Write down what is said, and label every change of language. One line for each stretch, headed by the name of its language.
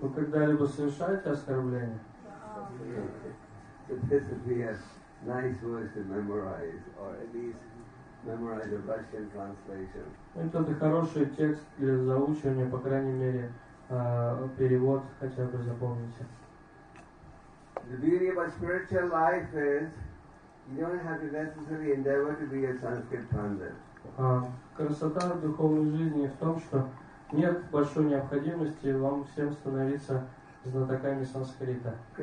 Russian: Вы когда-либо совершаете оскорбления?
English: So this would be a nice verse to memorize, or at least memorize a Russian translation.
Russian: Это хороший текст для заучивания, по крайней мере, перевод хотя бы запомните.
English: The beauty of a spiritual life is you don't have to necessarily endeavor to be a Sanskrit pandit.
Russian: Красота духовной жизни в том, что нет большой необходимости вам всем становиться знатоками санскрита.